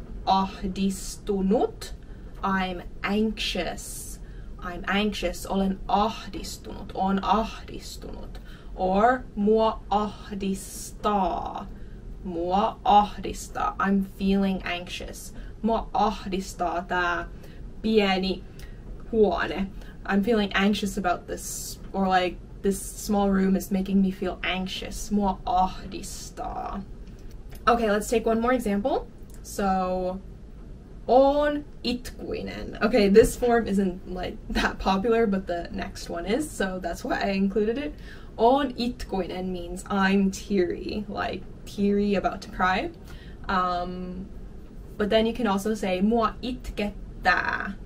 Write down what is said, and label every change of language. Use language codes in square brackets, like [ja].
[en] Ahdistunut. I'm anxious. I'm anxious. [fi] Olen ahdistunut. On ahdistunut. Or mua ahdistaa. [en] Mua ahdistaa. I'm feeling anxious. [fi] Mua ahdistaa tää pieni huone. [en] I'm feeling anxious about this, or like this small room is making me feel anxious. Mua ahdistaa. Okay, let's take one more example. [fi] So on itkuinen. [en] Okay, this form isn't like that popular, but the next one is, so that's why I included it. On itkuinen means I'm teary, like teary, about to cry. But then you can also say mua itkettää.